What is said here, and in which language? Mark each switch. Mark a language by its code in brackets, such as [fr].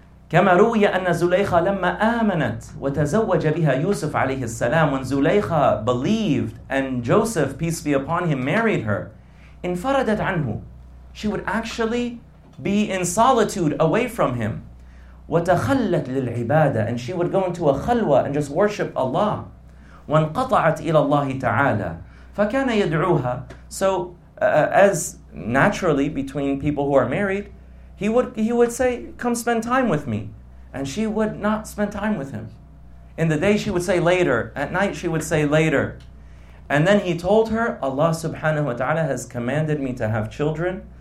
[ar] كما روي أن زليخة لما آمنت وتزوج بها يوسف عليه السلام, [en] when زليخة believed and Joseph, peace be upon him, married her, [ar] انفردت عنه, [en] she would actually be in solitude away from him. [ar] وتخلت للعبادة, [en] and she would go into a خلوة and just worship Allah. [ar] وانقطعت إلى الله تعالى فكان يدعوها. [en] So as naturally between people who are married, he would say, come spend time with me. And she would not spend time with him. In the day she would say later, at night she would say later. And then he told her, Allah subhanahu wa ta'ala has commanded me to have children.